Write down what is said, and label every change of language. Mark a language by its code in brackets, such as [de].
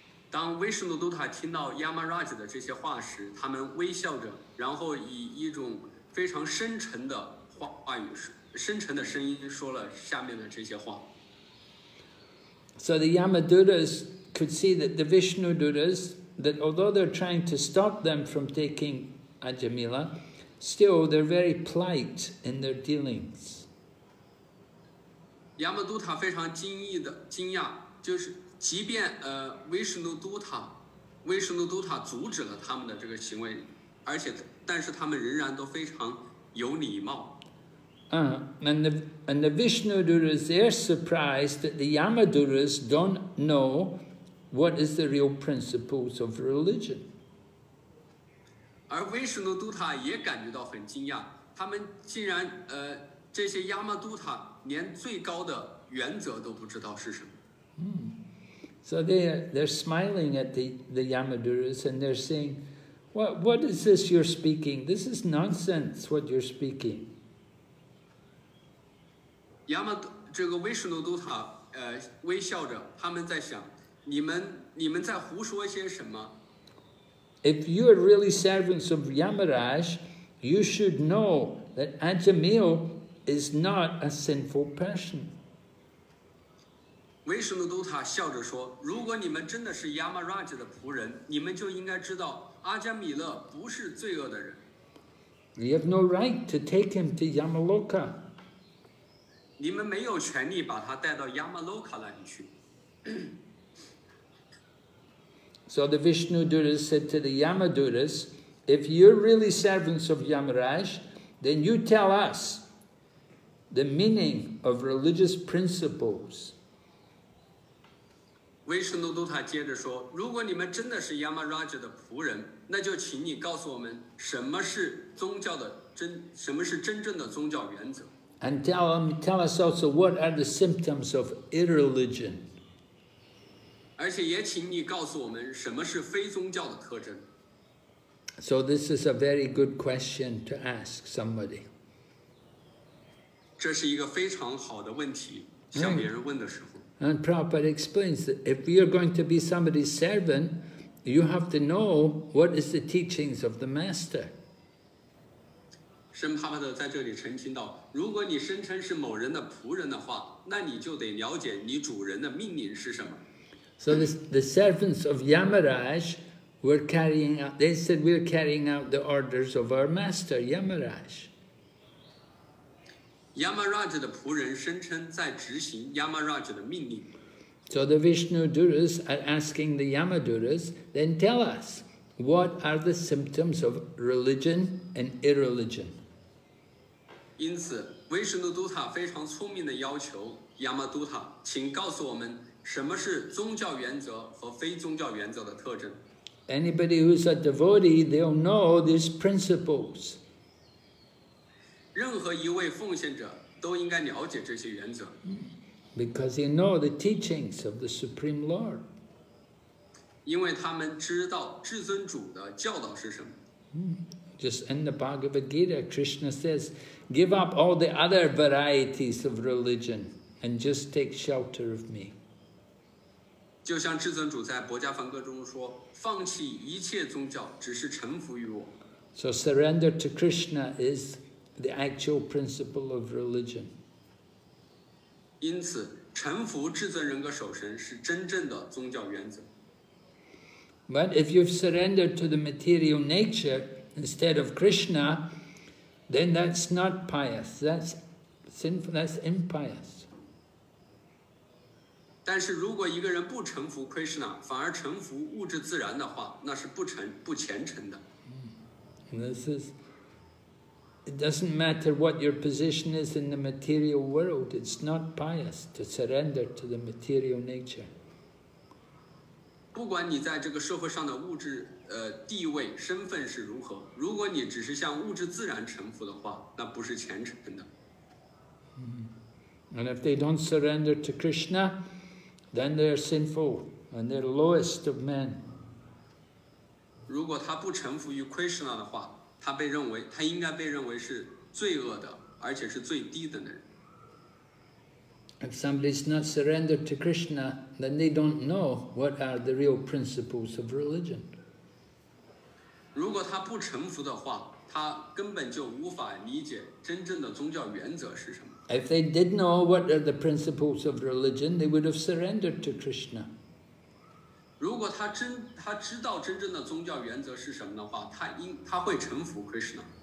[zh] 当威士努杜塔听到亚玛拉吉的这些话时，他们微笑着，然后以一种非常深沉的话语、深沉的声音说了下面的这些话。 [en] So the Yamadutas could see that the Vishnu Dutas, that although they're trying to stop them from taking Ajamila, still they're very polite in their dealings. [zh] Yamadutta 非常惊讶，就是。即便威士努都塔阻止了他们的这个行为，而且但是他们仍然都非常有礼貌。 [en] And the Vishnu Duras, they're surprised that the Yamaduras don't know what is the real principles of religion. [zh] 而维什诺都塔也感觉到很惊讶，他们竟然这些亚玛都塔连最高的原则都不知道是什么。 [en] So they're smiling at the Yamadurus and they're saying, what is this you're speaking? This is nonsense what you're speaking. [zh] Yama 这个维什诺都塔微笑着，他们在想，你们在胡说些什么？ [en] If you are really servants of Yamaraj, you should know that Ajameel is not a sinful person. [zh] 维什诺都塔笑着说，如果你们真的是 Yamaraj 的仆人，你们就应该知道阿迦米勒不是罪恶的人。 [en] You have no right to take him to Yamaloka. [zh] 你们没有权利把他带到 Yamaloka 那里去。 [en] So the Vishnudurus said to the Yamadurus, if you're really servants of Yamaraj, then you tell us the meaning of religious principles. [zh] 维什诺都塔接着说，如果你们真的是 Yamaraja 的仆人，那就请你告诉我们什么是真正的宗教原则。 [en] And tell us also what are the symptoms of irreligion. [zh] 而且也请你告诉我们什么是非宗教的特征。 [en] So this is a very good question to ask somebody. [zh] 这是一个非常好的问题，向别人问的时候。 [en] And Prabhupada explains that if you're going to be somebody's servant, you have to know what is the teachings of the master. [zh] Shrimpapada 在这里澄清到，如果你声称是某人的仆人的话，那你就得了解你主人的命令是什么。 [en] So the servants of Yamaraj were carrying out, they said we're carrying out the orders of our master, Yamaraj. [zh] Yamaraj 的仆人声称在执行 Yamaraj 的命令。 [en] So the Vishnudurus are asking the Yamadurus, then tell us, what are the symptoms of religion and irreligion? [zh] 因此，维什诺都塔非常聪明地要求 Yamadutta, 请告诉我们什么是宗教原则和非宗教原则的特征。 [en] Anybody who is a devotee, they'll know these principles. [zh] 任何一位奉献者都应该了解这些原则。 [en] Because they know the teachings of the Supreme Lord. [zh] 因为他们知道至尊主的教导是什么。 [en] Just in the Bhagavad Gita, Krishna says, give up all the other varieties of religion and just take shelter of me. [zh] 就像至尊主在《薄伽梵歌》中说，放弃一切宗教，只是臣服于我。 [en] So surrender to Krishna is... the actual principle of religion. [zh] 因此，臣服至尊人格守神是真正的宗教原则。 [en] But if you've surrendered to the material nature instead of Krishna, then that's not pious. That's sinful. That's impious. [zh] 但是如果一个人不臣服 Krishna, 反而臣服物质自然的话，那是不虔诚的。 [en] It doesn't matter what your position is in the material world, it's not pious to surrender to the material nature. [zh] 不管你在这个社会上的物质地位身份是如何，如果你只是向物质自然臣服的话，那不是虔诚的。 [en] And if they don't surrender to Krishna, then they're sinful and they're lowest of men. [zh] 如果他不臣服于 Krishna 的话，他应该被认为是罪恶的，而且是最低的人。 [en] If somebody is not surrendered to Krishna, then they don't know what are the real principles of religion. [zh] 如果他不臣服的话，他根本就无法理解真正的宗教原则是什么。 [en] If they did know what are the principles of religion, they would have surrendered to Krishna. [zh] 如果他知道真正的宗教原则是什么的话，他会臣服 Krishna。